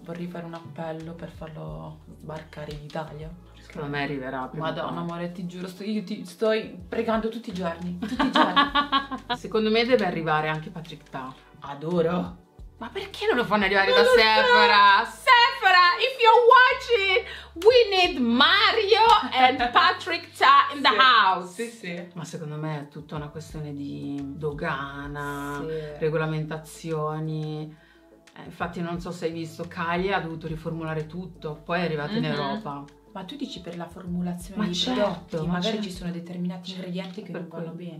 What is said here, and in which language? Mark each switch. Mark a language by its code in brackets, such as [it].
[it] Vorrei fare un appello per farlo sbarcare in Italia. Secondo me arriverà prima. Madonna amore, ti giuro, sto pregando tutti i giorni. Secondo me deve arrivare anche Patrick Ta. Adoro. Ma perché non lo fanno arrivare da Sephora? [en] Sephora, if you're watching, we need Mario and Patrick Ta in the house. [it] Sì, sì. Ma secondo me è tutta una questione di dogana, regolamentazioni. Infatti non so se hai visto, Kylie ha dovuto riformulare tutto, poi è arrivata in Europa. Ma tu dici per la formulazione dei prodotti, magari ci sono determinati ingredienti che non vanno bene.